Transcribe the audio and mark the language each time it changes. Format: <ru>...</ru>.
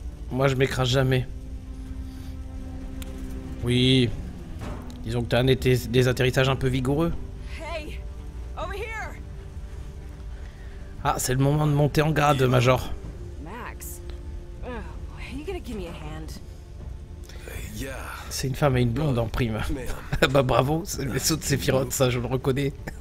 <fr>Moi, je m'écrase jamais. Oui. Disons que t'as un été des atterrissages un peu vigoureux.</fr> <en>Hey, over here.</en> <fr>Ah, c'est le moment de monter en grade, Major. Max.</fr> <en>Oh, are you gonna give me a hand? Yeah.</en> <fr>C'est une femme et une blonde en prime. Bah bravo, c'est le vaisseau de Sephiroth, ça je le reconnais.</fr>